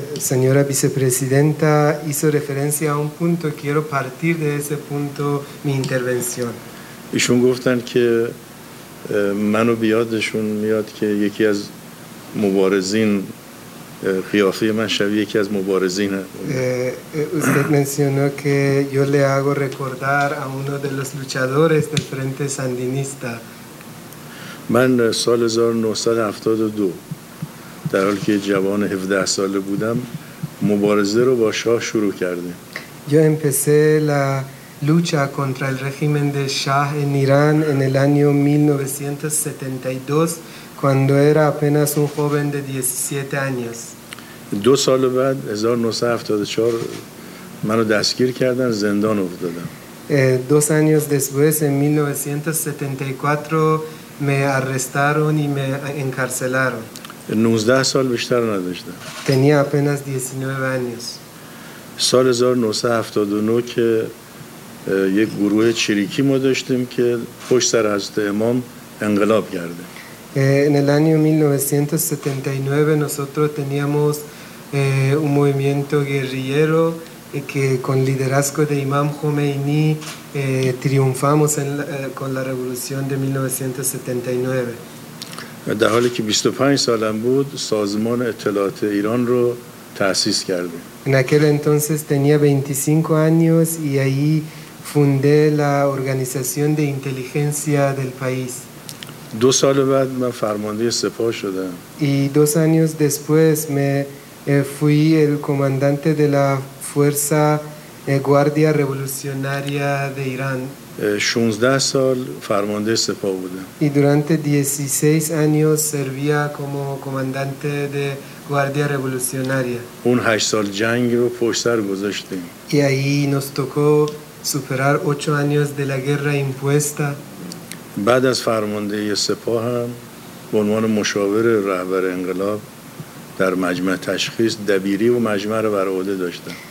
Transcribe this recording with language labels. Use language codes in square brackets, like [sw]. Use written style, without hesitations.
[es] Señora vicepresidenta hizo referencia a un punto, quiero partir de ese punto mi intervención. [fa] ایشون گفتن که منو بیادشون میاد که یکی از مبارزین قیافه من شبیه یکی از مبارزین [es] usted mencionó que yo le hago recordar a uno de los luchadores del Frente Sandinista. [fa] من سال 1972 در حالی که جوان 17 ساله بودم مبارزه رو با شاه شروع کردم. [es] Yo empecé la lucha contra el régimen de Shah en Irán en el año 1972 cuando era apenas un joven de 17 años. [fa] دو سال بعد 1974 منو دستگیر کردن، زندان افتادم. [es] Dos años después en 1974 me arrestaron y me encarcelaron. [fa] 19 سال بیشتر نداشتم. [es] Tenía apenas 19 años. [fa] سال 1979 که یک گروه چریکی ما داشتیم که پشت سر حضرت امام انقلاب کرده. [es] En el año 1979 nosotros teníamos un movimiento guerrillero que con liderazgo de Imam Khomeini triunfamos con la revolución de 1979. [fa] در حالی که 25 سالم بود سازمان اطلاعات ایران رو تأسیس کردم. [es] En aquel entonces tenía 25 años y ahí fundé la organización de inteligencia del país. [fa] دو سال بعد من فرمانده سپاه شدم. [es] Y dos años después me fui el comandante de la fuerza guardia revolucionaria de Irán. [fa] 16 سال فرمانده سپاه بودم. [es] Y durante 16 años servía como comandante de guardia revolucionaria. [fa] اون 8 سال جنگ رو پشت سر گذاشتیم. [es] Y ahí nos tocó superar 8 años de la guerra impuesta. [fa] بعد از فرماندهی سپاه هم به عنوان مشاور رهبر انقلاب در مجمع تشخیص دبیری و مجمع رو بر عهده داشتم.